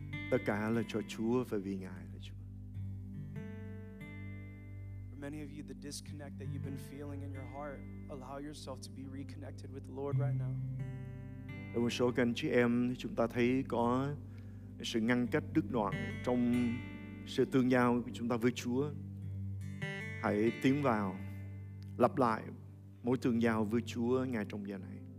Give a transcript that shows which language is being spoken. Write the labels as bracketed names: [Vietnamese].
[Vietnamese] Tất cả là cho Chúa và vì Ngài là Chúa. [English] For many of you, the disconnect that you've been feeling in your heart, allow yourself to be reconnected with the Lord right now. [Vietnamese] Đối với số các anh chị em, chúng ta thấy có sự ngăn cách đứt đoạn trong sự tương giao của chúng ta với Chúa. Hãy tiến vào, lặp lại mối tương giao với Chúa ngay trong giờ này.